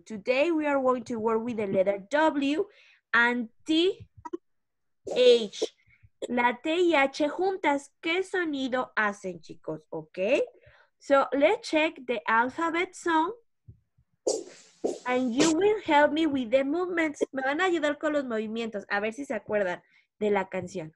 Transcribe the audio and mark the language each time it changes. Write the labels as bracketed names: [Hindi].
[English] Today we are going to work with the letter W and T. H. [Spanish] La T y H juntas, ¿qué sonido hacen, chicos? [English] ¿Ok? So, let's check the alphabet sound. And you will help me with the movements. [Spanish] Me van a ayudar con los movimientos. A ver si se acuerdan de la canción.